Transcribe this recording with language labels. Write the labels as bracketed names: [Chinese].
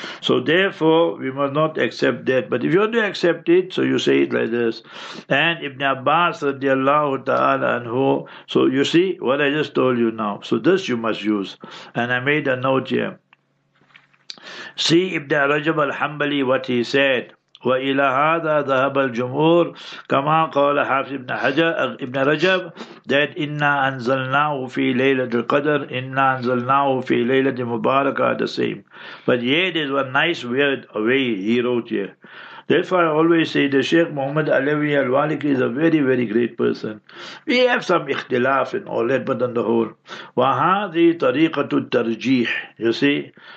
[English] So therefore, we must not accept that. But if you want to accept it, so you say it like this. And Ibn Abbas radiallahu ta'ala anhu, so you see what I just told you now. So this you must use. And I made a note here. See Ibn Rajab al-Hanbali what he said. [Arabic] وَإِلَى هَذَا ذَهَبَ الْجُمْهُورِ كَمَا قَالَ حَافِظُ ابْنُ حَجَرٍ ابْنُ رَجَبَ [English] that [Arabic] إِنَّا أَنزَلْنَاهُ فِي لَيْلَةِ الْقَدْرِ إِنَّا أَنزَلْنَاهُ فِي لَيْلَةِ الْمُبَارَكَةِ [English] the same. But here there's one nice weird way he wrote here. Therefore, I always say the Sheikh Muhammad Alawi al-Waliki is a very, very great person. We have some ikhtilaf and all that, but on the whole. [Arabic] وَهَذِي طَرِيقَةُ التَّرْجِيحِ [English] you see.